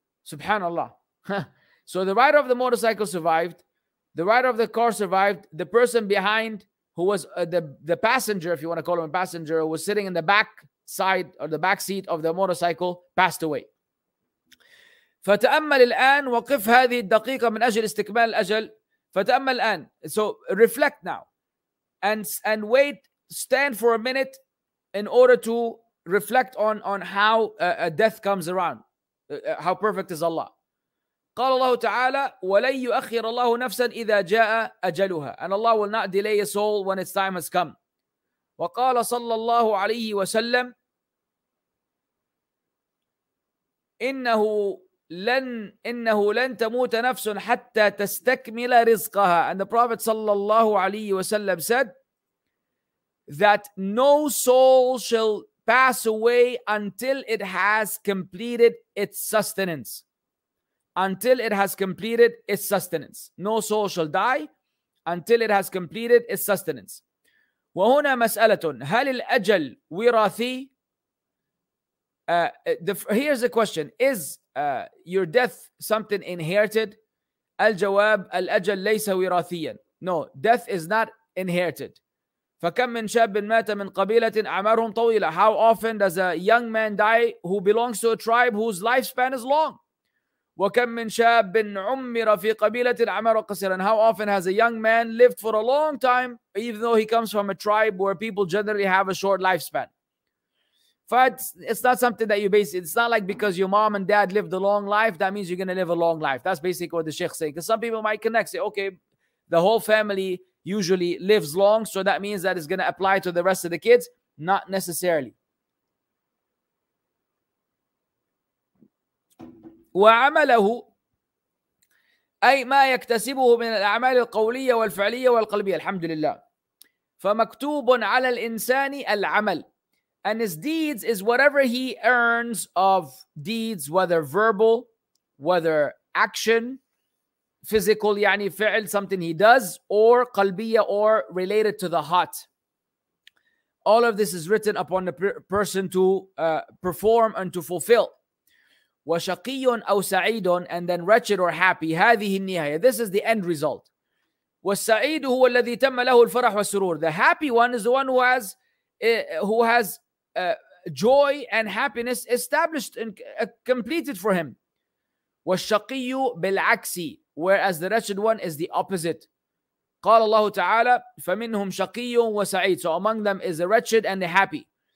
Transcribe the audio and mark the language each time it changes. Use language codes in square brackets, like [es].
[en] Subhanallah. So the rider of the motorcycle survived. The rider of the car survived. The person behind, who was the passenger, if you want to call him a passenger, who was sitting in the back side or the back seat of the motorcycle, passed away. [ar] فتأمل الآن وقف هذه الدقيقة من أجل استكمال الأجل. فتأمل الآن. [en] So reflect now, and wait, stand for a minute, in order to reflect on how a death comes around. How perfect is Allah? [ar] قال الله تعالى ولن يؤخر الله نفسا إذا جاء أجلها. [en] And Allah will not delay a soul when its time has come. [ar] وقال صلى الله عليه وسلم إنه لن تموت نفس حتى تستكمل رزقها. [en] And the Prophet صلى الله عليه وسلم said that no soul shall pass away until it has completed its sustenance. Until it has completed its sustenance. No soul shall die until it has completed its sustenance. [ar] وهنا مسألة هل الأجل وراثي. [en] Here's the question. Is your death something inherited? [ar] الجواب الأجل ليس وراثيا. [en] No, death is not inherited. [ar] فكم من شاب مات من قبيلة أعمارهم طويلة. [en] How often does a young man die who belongs to a tribe whose lifespan is long? [ar] وكم من شاب عمر في قبيلة عمر قصيرا. [en] How often has a young man lived for a long time, even though he comes from a tribe where people generally have a short lifespan? But it's not something that you base. It's not like because your mom and dad lived a long life, that means you're going to live a long life. That's basically what the sheikh saying. Because some people might connect, say, okay, the whole family usually lives long, so that means that it's going to apply to the rest of the kids. Not necessarily. [ar] وعمله أي ما يكتسبه من الأعمال القولية والفعلية والقلبية. الحمد لله. فمكتوب على الإنسان العمل. [en] And his deeds is whatever he earns of deeds, whether verbal, whether action, physical, يعني فعل, something he does, or قلبية, or related to the heart. All of this is written upon the person to perform and to fulfill. [ar] وشقي أو سعيد. [en] And then wretched or happy. [ar] هذه النهاية. [en] This is the end result. [ar] والسعيد هو الذي تم له الفرح والسرور. [en] The happy one is the one who has joy and happiness established and completed for him. [ar] والشقي بالعكس. [en] Whereas the wretched one is the opposite. [ar] قال الله تعالى فمنهم شقي وسعيد. [en] So among them is the wretched and the happy.